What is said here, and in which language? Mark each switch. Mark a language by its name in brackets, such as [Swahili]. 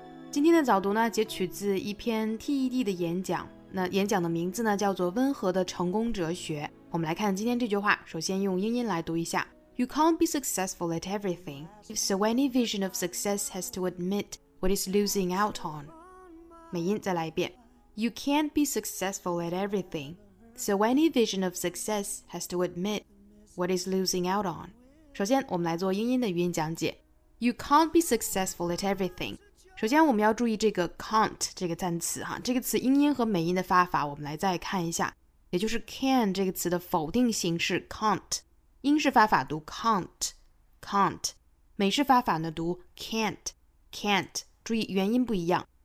[Chinese] Today's 早读呢，截取自一篇 TED 的演讲。那演讲的名字呢，叫做《温和的成功哲学》。我们来看今天这句话，首先用英音来读一下。 [English] You can't be successful at everything, so any vision of success has to admit what it's losing out on. [Chinese] 美音再来一遍。 [English] You can't be successful at everything, so any vision of success has to admit what it's losing out on. [Chinese] 首先我们来做英音的语音讲解。 You can't be successful at everything. 首先我们要注意这个 can't 这个单词哈，这个词英音和美音的发法我们来再看一下，也就是 can 这个词的否定形式 can't。英式发法读 can't, can't, 美式发法呢读 can't, can't, 注意元音不一样。